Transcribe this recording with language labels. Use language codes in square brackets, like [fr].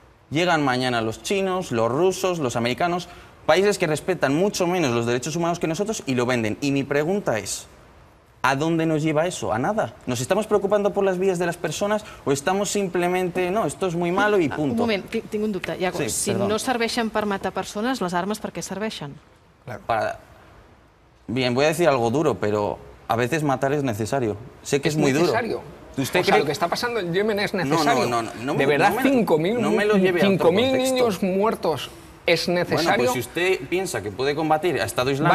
[es] Llegan mañana los chinos, los rusos, los americanos, países que respetan mucho menos los derechos humanos que nosotros y lo venden. Y mi pregunta es, ¿a dónde nos lleva eso? ¿A nada? ¿Nos estamos preocupando por las vidas de las personas o estamos simplemente, no, esto es muy malo y punto? [ca] Un moment, tinc un dubte. Iago, si no serveixen per matar persones, les armes per què serveixen? [es] Bien, voy a decir algo duro, pero a veces matar es necesario. Sé que es muy duro. ¿Es necesario? ¿Usted cree lo que está pasando en Yemen es necesario? No. De verdad, 5.000 no me lo lleve a otro contexto. 5.000 niños muertos es necesario. Bueno, pues si usted piensa que puede combatir a Estado Islámico